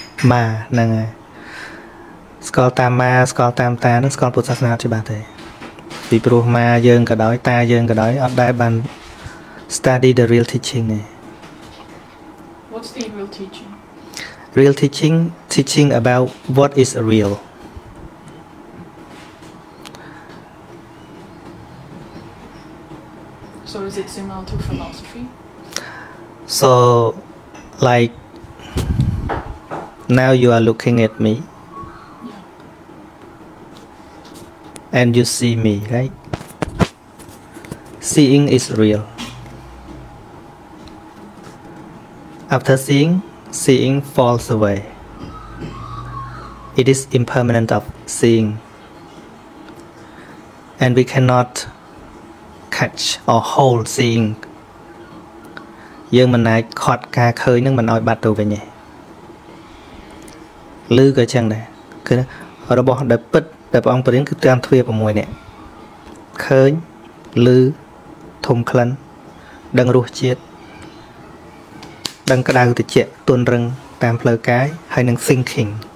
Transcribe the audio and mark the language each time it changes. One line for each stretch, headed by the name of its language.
Khmer: ម៉ាហ្នឹងហើយស្គាល់តាមម៉ាស្គាល់តាមតានឹងស្គាល់ពុទ្ធសាសនាអត់ច្បាស់ទេពីព្រោះម៉ាយើងក៏ដោយតាយើងក៏ដោយអត់ដែរបាន
English: study the real teaching
Khmer: ទេ
English: What's the real teaching? Real teaching teaching about what is real. So is it similar to philosophy? So, like, now you are looking at me. Yeah. And you see me, right? Seeing is real. After seeing, seeing falls away. It is impermanent of seeing. And we cannotcatch or hold seeing
Khmer: យើងមិនអាចខាត់ការឃើញនឹងមិនឲ្យបាត់ទៅវិញទេឬក៏ចឹងដែរគឺរបស់ដែលពិតដែលព្រះអង្គបរិញ្ញគឺតាមទ្វារ6នេះឃើញឬធំក្លិនដឹងរសជាតិដឹងក្តៅត្រជាក់ទន់រឹងតាមផ្លូវកាយហើយនឹង thinking